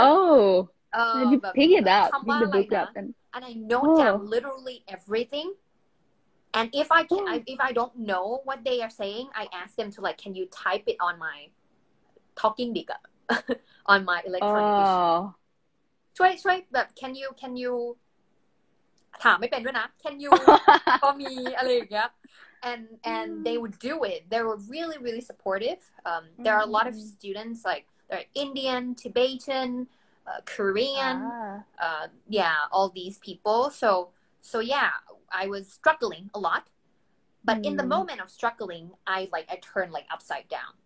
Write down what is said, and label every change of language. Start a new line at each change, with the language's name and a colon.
English: You pick it up, pick the book up, and I note down literally everything. And if I can, if I don't know what they are saying, I ask them to like, can you type it on my talking diga on my electronic? Oh, try, but can you?
Thai: ถามไม่เป็นด้วยนะ
English: Can you?
Thai: ก็มีอะไรอย่างเงี้ย
English: And they would do it. They were really really supportive. There are a lot of students like they're Indian, Tibetan. Korean, all these people. So yeah, I was struggling a lot, but in the moment of struggling, I turned like upside down.